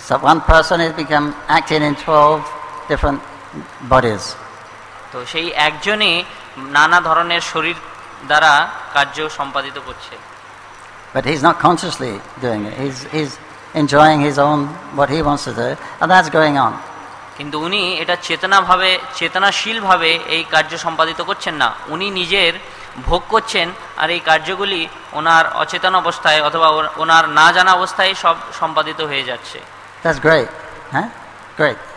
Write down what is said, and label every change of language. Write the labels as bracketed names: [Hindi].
[English] one person has become acting in 12 different bodies [Bangla] তো সেই একজনই নানা ধরনের শরীর দ্বারা কার্য সম্পাদিত করছে [English] but he's not consciously doing it he's enjoying his own what he wants to do and that's going on [Bangla] কিন্তু উনি এটা চেতনাভাবে চেতনাশীলভাবে এই কার্য সম্পাদিত করছেন না উনি নিজের ভোগ করছেন আর এই কার্যগুলি ওনার অচেতন অবস্থায় অথবা ওনার না জানা অবস্থায় সব সম্পাদিত হয়ে যাচ্ছে [English] that's great হ্যাঁ great